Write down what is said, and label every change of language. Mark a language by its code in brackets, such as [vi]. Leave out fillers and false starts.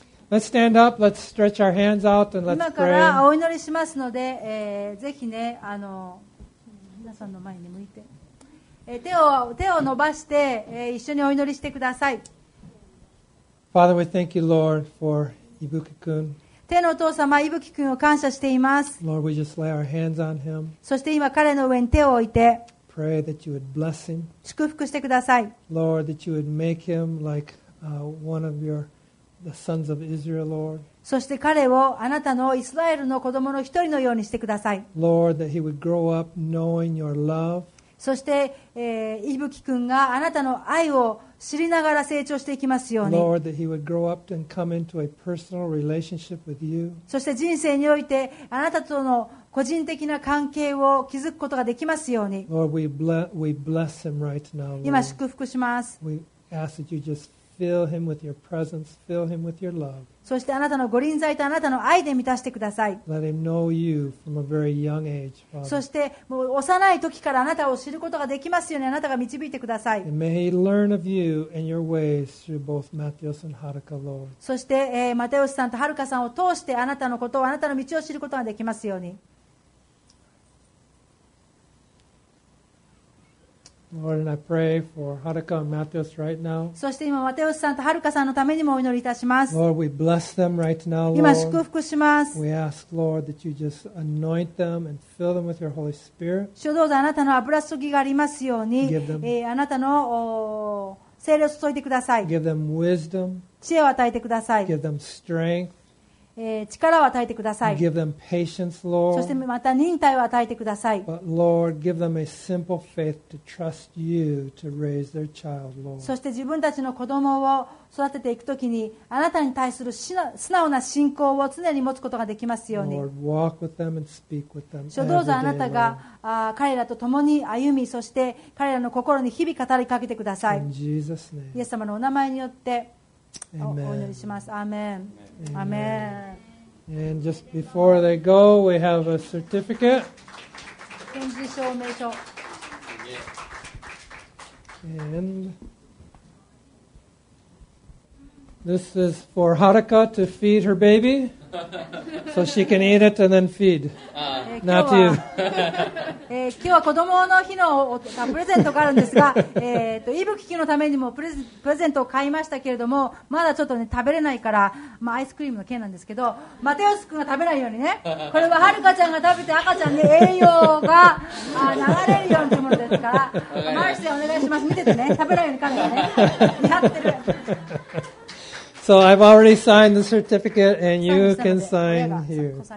[en] Let's stand up, let's stretch our hands out, and let's pray. [ja] 今からお祈りしますので、ぜひね、皆さんの前に向いて、手を伸ばして、一緒にお祈りしてください。 [en] Father, we thank you, Lord, for Ibuki-kun. [ja] 天のお父様、イブキ君を感謝しています。 [en] Lord, we just lay our hands on him. [ja] そして今、彼の上に手を置いて、 [en] pray that you would bless him. [ja] 祝福してください。 [en] Lord, that you would make him like, one of your... The sons of Israel, Lord. [ja] そして彼をあなたのイスラエルの子供の一人のようにしてください。 [en] Lord, that he would grow up knowing your love. [ja] そして、イブキ君があなたの愛を知りながら成長していきますように。 [en] Lord, that he would grow up and come into a personal relationship with you. [ja] そして人生においてあなたとの個人的な関係を築くことができますように。 [en] Lord, we bless him right now, Lord. [ja] 今祝福します。 [en] We ask that you just Fill him with your presence. Fill him with your love. [ja] そしてあなたのご臨在とあなたの愛で満たしてください。 [en] Let him know you from a very young age, Father. [ja] そしてもう幼い時からあなたを知ることができますようにあなたが導いてください。 [en] And may he learn of you and your ways through both Matthias and Haruka, Lord. [ja] そして、マテウスさんとハルカさんを通してあなたのことをあなたの道を知ることができますように。 [en] Lord, and I pray for Haruka and Matthias right now. [ja] そして今マテウスさんとハルカさんのためにもお祈りいたします。 [en] Lord, we bless them right now, Lord. [ja] 今祝福します。 [en] We ask, Lord, that you just anoint them and fill them with your Holy Spirit. [ja] 主よどうぞあなたの油注ぎがありますように、あなたの聖霊を注いでください。 [en] Give them wisdom. [ja] 知恵を与えてください。 [en] Give them strength. [ja] 力を与えてください。 [en] Give them patience, Lord. [ja] そしてまた忍耐を与えてください。 [en] But Lord, give them a simple faith to trust you to raise their child, Lord. [ja] そして自分たちの子供を育てていくときに、あなたに対する素直な信仰を常に持つことができますように。 [en] Lord, walk with them and speak with them. [ja] どうぞあなたが彼らと共に歩み、そして彼らの心に日々語りかけてください。 [en] In Jesus' name. [ja] イエス様のお名前によって。 [en] Amen. Amen. Amen. And just before they go, we have a certificate. [ja] 展示証明書 [en] And this is for Haruka to feed her baby, so she can eat it and then feed. Not you. [ja] 今日は子供の日のプレゼントがあるんですが、イブキ君のためにもプレゼントを買いましたけれども、まだちょっと、ね、食べれないから、まあ、アイスクリームの件なんですけど、マテウス君が食べないようにね、これははるかちゃんが食べて赤ちゃんに栄養が流れるようにというものですから、マルシでお願いします。見ててね、食べないように、彼がね、見張ってる。 [en] So I've already signed the certificate, and you can sign here.